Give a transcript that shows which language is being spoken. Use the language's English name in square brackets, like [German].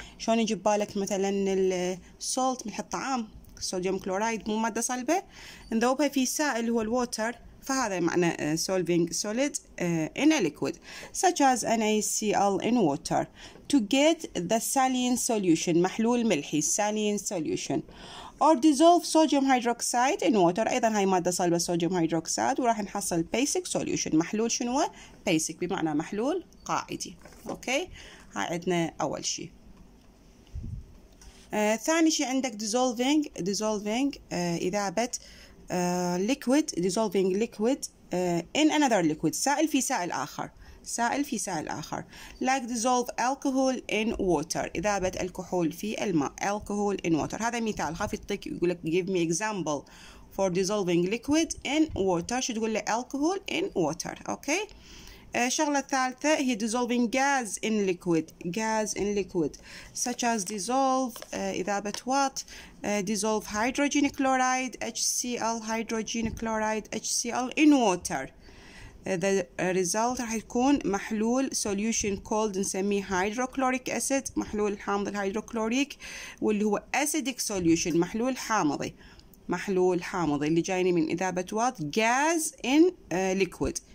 [Arabic] شلون يجي ببالك مثلا السولت، ملح الطعام، صوديوم كلورايد، مو ماده صلبه، نذوبها في سائل هو الووتر، فهذا معنى [English] solving solid in a liquid، such as NaCl in water، to get the saline solution، [Arabic] محلول ملحي، saline solution، [English] or dissolve sodium hydroxide in water، [Arabic] أيضا هاي مادة صلبة sodium hydroxide، وراح نحصل basic solution، محلول شنو؟ basic بمعنى محلول قاعدي. أوكي، هاي عندنا أول شيء. ثاني شيء عندك dissolving إذابة liquid، [English] dissolving liquid in another liquid، [Arabic] سائل في سائل آخر، سائل في سائل آخر. [English] like dissolve alcohol in water، [Arabic] إذابة الكحول في الماء، [English] alcohol in water. [Arabic] هذا مثال، خاف يعطيك يقول لك [English] give me example for dissolving liquid in water، [Arabic] شو تقول له؟ [English] alcohol in water. okay، [Arabic] الشغلة الثالثة هي [English] dissolving gas in liquid، gas in liquid، such as dissolve، إذابة what؟ dissolve hydrogen chloride، HCl hydrogen chloride، HCl in water. the result [Arabic] راح يكون محلول [English] solution called، [Arabic] نسميه hydrochloric acid، محلول حامض الهيدروكلوريك، واللي هو [English] acidic solution، [Arabic] محلول حامضي. محلول حامضي اللي جايني من إذابة what؟ [English] gas in liquid.